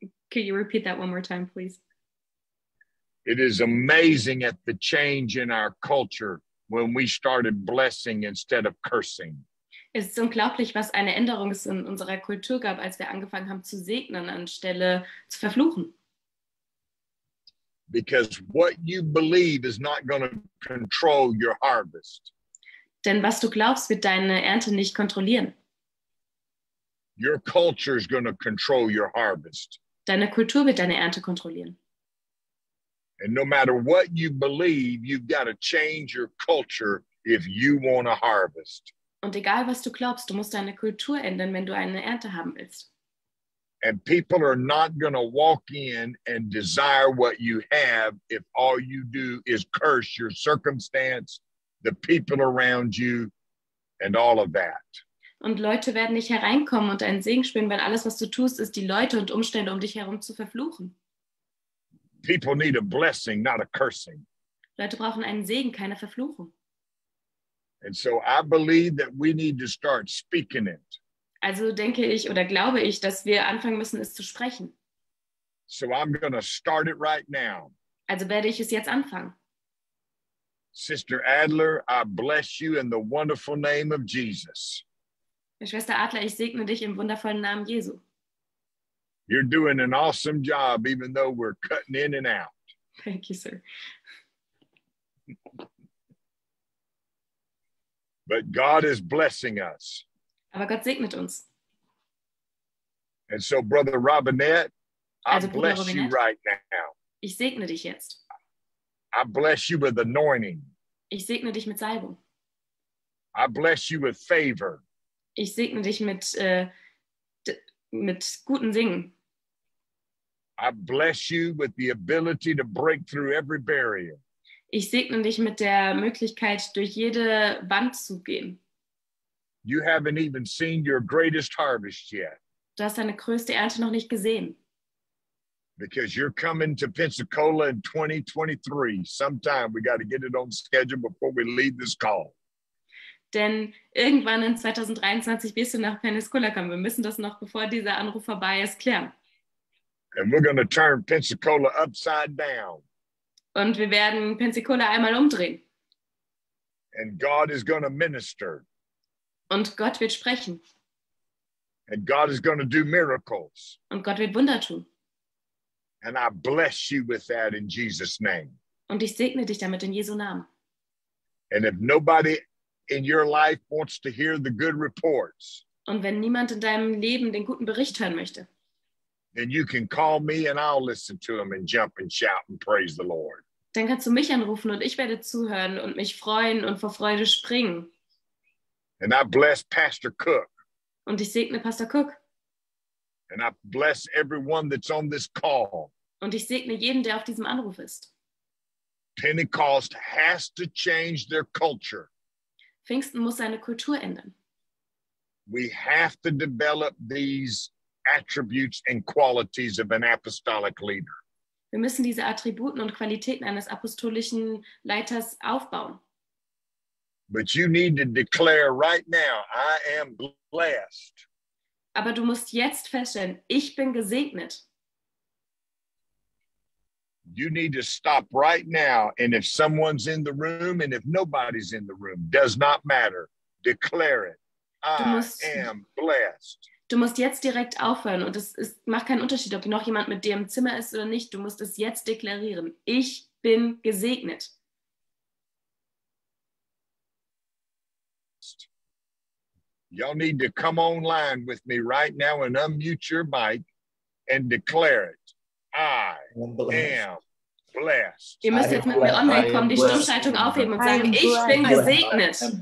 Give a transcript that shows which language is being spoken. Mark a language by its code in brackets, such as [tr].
[en] Could you repeat that one more time, please? It is amazing at the change in our culture when we started blessing instead of cursing. [de] Es ist unglaublich, was eine Änderung es in unserer Kultur gab, als wir angefangen haben zu segnen anstelle zu verfluchen. [en] Because what you believe is not going to control your harvest. [de] Denn was du glaubst, wird deine Ernte nicht kontrollieren. [en] Your culture is going to control your harvest. [de] Deine Kultur wird deine Ernte kontrollieren. [en] And no matter what you believe, you've got to change your culture if you want a harvest. [de] Und egal was du glaubst, du musst deine Kultur ändern, wenn du eine Ernte haben willst. [en] And people are not going to walk in and desire what you have if all you do is curse your circumstance, the people around you, and all of that. [de] Und Leute werden nicht hereinkommen und einen Segen spüren, weil alles was du tust, ist die Leute und Umstände um dich herum zu verfluchen. [en] People need a blessing, not a cursing. [de] Leute brauchen einen Segen, keine Verfluchung. [en] And so I believe that we need to start speaking it. [de] Also denke ich oder glaube ich, dass wir anfangen müssen, es zu sprechen. [en] So I'm going to start it right now. [de] Also werde ich es jetzt anfangen. [en] Sister Adler, I bless you in the wonderful name of Jesus. [de] Schwester Adler, ich segne dich im wundervollen Namen Jesu. [en] You're doing an awesome job, even though we're cutting in and out. Thank you, sir. But God is blessing us. [de] Aber Gott segnet uns. [en] And so, Brother Robinette, I bless you right now. [de] Ich segne dich jetzt. [en] I bless you with anointing. [de] Ich segne dich mit Salbung. [en] I bless you with favor. [de] Ich segne dich mit guten Singen. [en] I bless you with the ability to break through every barrier. [de] Ich segne dich mit der Möglichkeit, durch jede Wand zu gehen. [en] You haven't even seen your greatest harvest yet. [de] Du hast deine größte Ernte noch nicht gesehen. [en] Because you're coming to Pensacola in 2023. Sometime we got to get it on schedule before we leave this call. [de] Denn irgendwann in 2023 wirst du nach Pensacola kommen. Wir müssen das noch, bevor dieser Anruf vorbei ist, klären. [en] And we're going to turn Pensacola upside down. [de] Und wir werden Pensacola einmal umdrehen. [en] And God is going to minister. [de] Und Gott wird sprechen. [en] And God is going to do miracles. [de] Und Gott wird Wunder tun. [en] And I bless you with that in Jesus' name. [de] Und ich segne dich damit in Jesu Namen. [en] And if nobody in your life wants to hear the good reports. [de] Und wenn niemand in deinem Leben den guten Bericht hören möchte. [en] Then you can call me and I'll listen to him and jump and shout and praise the Lord. [de] Dann kannst du mich anrufen und ich werde zuhören und mich freuen und vor Freude springen. [en] And I bless Pastor Cook. [de] Und ich segne Pastor Cook. [en] And I bless everyone that's on this call. [de] Und ich segne jeden, der auf diesem Anruf ist. [en] Pentecost has to change their culture. [de] Pfingsten muss seine Kultur ändern. [en] We have to develop these attributes and qualities of an apostolic leader. [de] Wir müssen diese Attributen und Qualitäten eines apostolischen Leiters aufbauen. [en] But you need to declare right now, I am blessed. [de] Aber du musst jetzt feststellen, ich bin gesegnet. [en] You need to stop right now, and if someone's in the room and if nobody's in the room, does not matter. Declare it. I am blessed. [de] Du musst jetzt direkt aufhören und es macht keinen Unterschied, ob noch jemand mit dir im Zimmer ist oder nicht. Du musst es jetzt deklarieren. Ich bin gesegnet. [en] Y'all need to come online with me right now and unmute your mic and declare it. I am blessed. [de] Ihr müsst jetzt mit mir online kommen, die Stummschaltung aufheben und sagen, ich bin gesegnet.